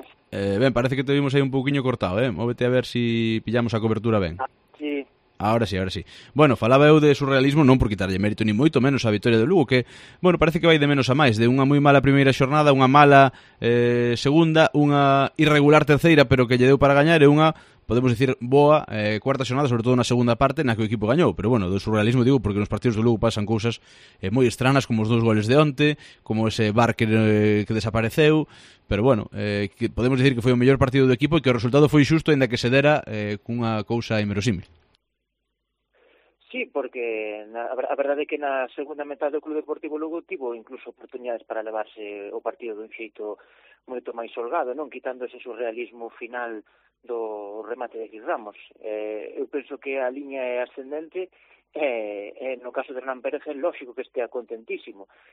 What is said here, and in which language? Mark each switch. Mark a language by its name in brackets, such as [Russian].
[Spanish] Ven, parece que te vimos ahí un poquillo cortado, ¿eh? [Galician] Móvete a ver si pillamos a cobertura, ven. [Spanish] Sí. Ahora sí, ahora sí. [Galician] Bueno, falaba eu de surrealismo, non por quitarlle mérito ni moito menos a vitoria do Lugo, que, bueno, parece que vai de menos a máis, de unha moi mala primeira xornada, unha mala segunda, unha irregular terceira, pero que lle deu para gañar, e unha, podemos dicir, boa cuarta xornada, sobre todo na segunda parte, na que o equipo gañou. Pero bueno, do surrealismo digo, porque nos partidos do Lugo pasan cousas moi estranas, como os dous goles de onte, como ese bar que desapareceu. Pero bueno, que podemos dicir que foi o mellor partido do equipo e que o resultado foi xusto, aínda que se dera cunha cousa inverosímil. Sí, porque a verdade é que na segunda metade do Club Deportivo Lugo tivo incluso oportunidades para levarse o partido dun xeito moito máis holgado, non? Quitando ese surrealismo final do remate de Luís Ramos. Eu penso que a liña é ascendente, no caso de Hernán Pérez é lógico que estea contentísimo.